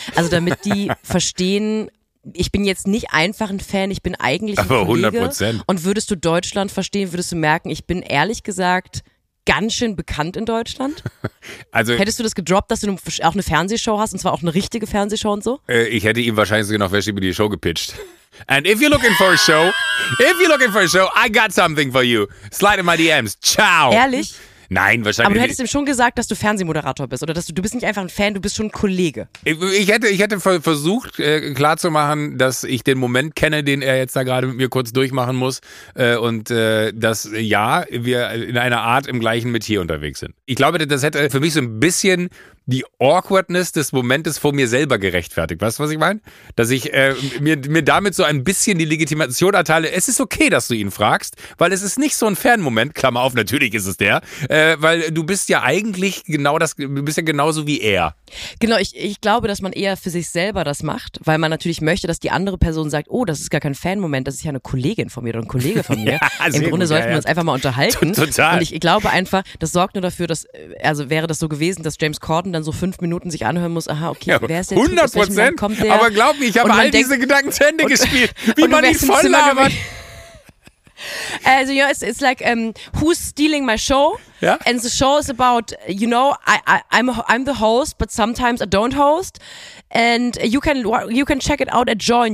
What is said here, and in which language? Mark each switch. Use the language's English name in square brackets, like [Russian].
[German] Also damit die verstehen, ich bin jetzt nicht einfach ein Fan, ich bin eigentlich ein Kollege. Aber 100%. Und würdest du Deutschland verstehen, würdest du merken, ich bin ehrlich gesagt ganz schön bekannt in Deutschland? Also, hättest du das gedroppt, dass du auch eine Fernsehshow hast und zwar auch eine richtige Fernsehshow und so? Ich hätte ihm wahrscheinlich sogar noch welche über die Show gepitcht. [English] And if you're looking for a show, I got something for you. Slide in my DMs. Ciao. [German] Ehrlich? Nein, wahrscheinlich. Aber du hättest ihm schon gesagt, dass du Fernsehmoderator bist oder dass du bist nicht einfach ein Fan, du bist schon ein Kollege. Ich hätte versucht klarzumachen, dass ich den Moment kenne, den er jetzt da gerade mit mir kurz durchmachen muss und dass ja, wir in einer Art im gleichen Metier unterwegs sind. Ich glaube, das hätte für mich so ein bisschen die Awkwardness des Momentes vor mir selber gerechtfertigt. Weißt du, was ich meine? Dass ich mir damit so ein bisschen die Legitimation erteile. Es ist okay, dass du ihn fragst, weil es ist nicht so ein Fan-Moment, Klammer auf, natürlich ist es der, weil du bist ja eigentlich genau das, du bist ja genauso wie er. Genau, ich glaube, dass man eher für sich selber das macht, weil man natürlich möchte, dass die andere Person sagt, oh, das ist gar kein Fan-Moment, das ist ja eine Kollegin von mir oder ein Kollege von mir. Ja, im Grunde gut, sollten wir uns einfach mal unterhalten. Total. Und ich glaube einfach, das sorgt nur dafür, dass, also wäre das so gewesen, dass James Corden dann so 5 Minuten sich anhören muss, aha, okay, ja, wer ist der 100%, typ, kommt der? Aber glaub mir, ich habe all diese Gedanken zu Ende gespielt, wie man die voll labert. [English] Also, you know, it's like, who's stealing my show? [German] Ja? [English] And the show is about, you know, I'm the host, but sometimes I don't host. And you can check it out at Join.